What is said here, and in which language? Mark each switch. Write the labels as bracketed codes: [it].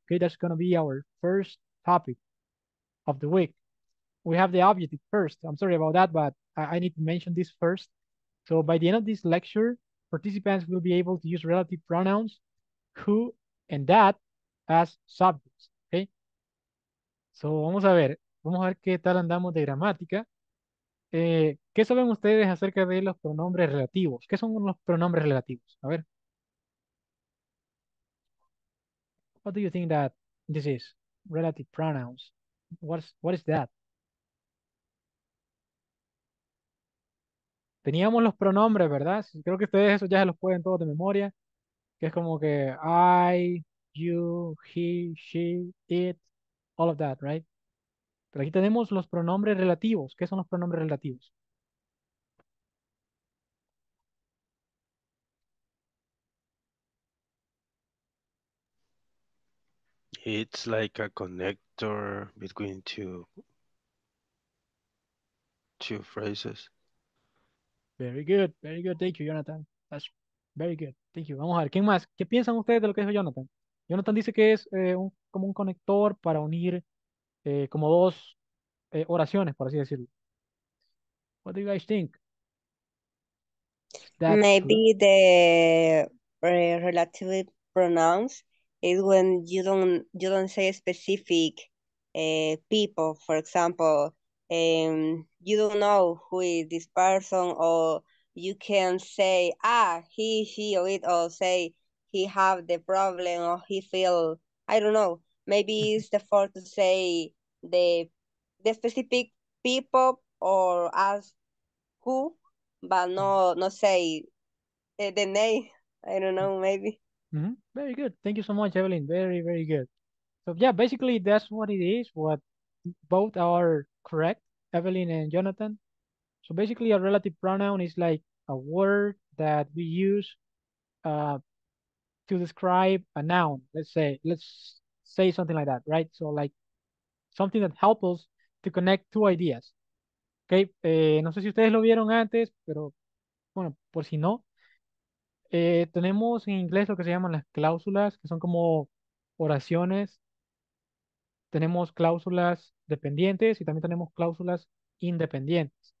[en] Okay, that's going to be our first topic of the week. We have the objective first. I'm sorry about that, but I need to mention this first. So by the end of this lecture, participants will be able to use relative pronouns, who and that, as subjects, okay? [es] So vamos a ver qué tal andamos de gramática. ¿Qué saben ustedes acerca de los pronombres relativos? ¿Qué son los pronombres relativos? A ver. [en] What do you think that this is? Relative pronouns. What is that? [es] Teníamos los pronombres, ¿verdad? Creo que ustedes eso ya se los pueden todos de memoria. Que es como que I... [en] you, he, she, it, all of that, right? [es] Pero aquí tenemos los pronombres relativos. ¿Qué son los pronombres relativos? [en] It's like a connector between two phrases. Very good, very good. Thank you, Jonathan. That's very good. Thank you. [es] Vamos a ver, ¿quién más? ¿Qué piensan ustedes de lo que dijo Jonathan? Jonathan dice que es como un conector para unir como dos oraciones, por así decirlo. [en] What do you guys think? That's maybe true. The relative pronouns is when you don't say specific people. For example, you don't know who is this person, or you can say, ah, he, she, or it, or say he have the problem, or he feel, I don't know, maybe it's the first to say the specific people or ask who, but not say the name, I don't know, maybe. Mm-hmm. Very good. Thank you so much, Evelyn. Very, very good. So yeah, basically that's what it is, what both are correct, Evelyn and Jonathan. So basically a relative pronoun is like a word that we use to describe a noun. Let's say something like that, right? So like something that helps us to connect two ideas. [es] Okay, no sé si ustedes lo vieron antes, pero bueno, por si no, tenemos en inglés lo que se llaman las cláusulas, que son como oraciones. Tenemos cláusulas dependientes y también tenemos cláusulas independientes.